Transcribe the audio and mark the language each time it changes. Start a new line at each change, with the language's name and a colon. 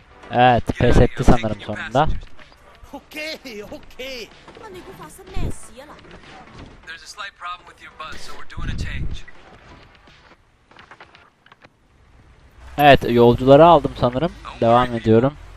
Turkish: Evet, pes etti sanırım sonunda.
English: Okay, okay.
Turkish: Ama ne bu fazla mess ya lan.
English: There's a slight problem with your buzz, so we're doing a change.
Turkish: Evet, yolcuları aldım sanırım. Devam ediyorum.